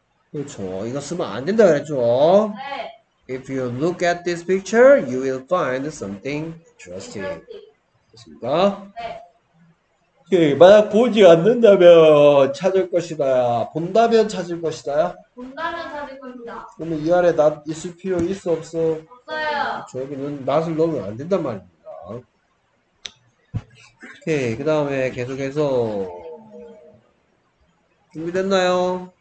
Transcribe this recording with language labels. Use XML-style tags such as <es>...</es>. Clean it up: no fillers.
<ko>그렇죠, 이거 쓰면 안 된다 그랬죠.</ko> <en>If you look at this picture, you will find something interesting.</en> <ko>됐습니까? 만약 보지 않는다면 찾을 것이다야. 본다면 찾을 것이다야. 본다면 그러면 이 아래 not 있을 필요 있어 없어? 찾을 저 여기는 not을 넣으면 안 된단 말입니다. 오케이. 그 다음에 계속해서 준비됐나요?</ko>